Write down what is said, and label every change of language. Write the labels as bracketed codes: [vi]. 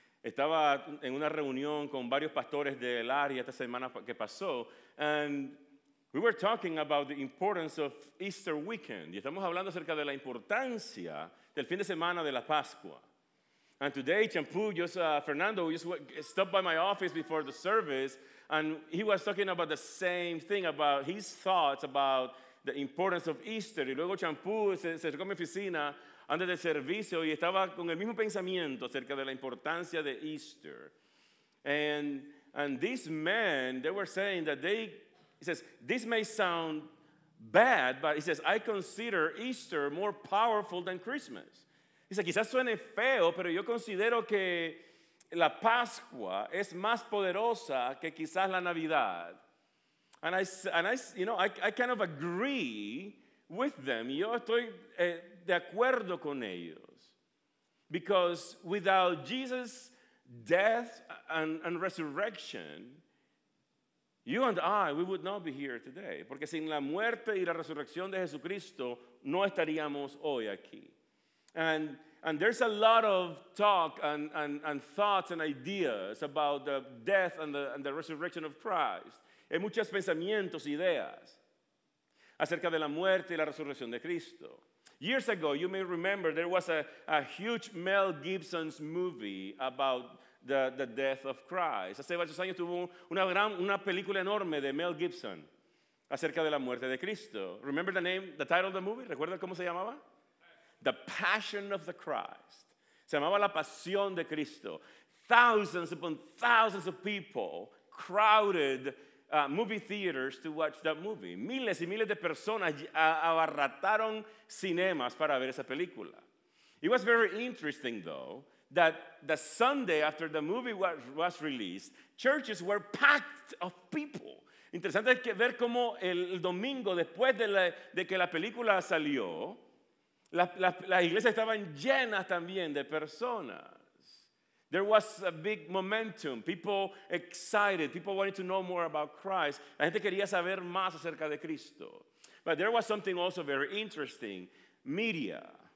[es] Estaba en una reunión con varios pastores del área esta semana que pasó, [en] and we were talking about the importance of Easter weekend. [es] Y estamos hablando acerca de la importancia del fin de semana de la Pascua. [en] And today, Fernando just stopped by my office before the service, and he was talking about the same thing, about his thoughts about the importance of Easter. [es] Y luego Champú se acercó a mi oficina antes del servicio y estaba con el mismo pensamiento acerca de la importancia de Easter. [en] And these men, they were saying that they, he says, this may sound bad, but he says, I consider Easter more powerful than Christmas. He says, [es] quizás suene feo, pero yo considero que la Pascua es más poderosa que quizás la Navidad. [en] And I kind of agree with them. [es] Yo estoy de acuerdo con ellos. [en] Because without Jesus' death and resurrection, you and I, we would not be here today. [es] Porque sin la muerte y la resurrección de Jesucristo, no estaríamos hoy aquí. [en] And there's a lot of talk and thoughts and ideas about the death and the resurrection of Christ. [es] Hay muchos pensamientos, ideas acerca de la muerte y la resurrección de Cristo. [en] Years ago, you may remember, there was a huge Mel Gibson's movie about the death of Christ. [es] Hace varios años tuvo una película enorme de Mel Gibson acerca de la muerte de Cristo. [en] Remember the name, the title of the movie? [es] ¿Recuerda cómo se llamaba? [en] The Passion of the Christ. [es] Se llamaba La Pasión de Cristo. [en] Thousands upon thousands of people crowded movie theaters to watch that movie. [es] Miles y miles de personas abarrataron cinemas para ver esa película. [en] It was very interesting, though, that the Sunday after the movie was released, churches were packed of people. [es] Interesante ver cómo el domingo después de que la película salió, la iglesia estaban llenas también de personas. [en] There was a big momentum. People excited. People wanted to know more about Christ. [es] La gente quería saber más acerca de Cristo. [en] But there was something also very interesting. Media.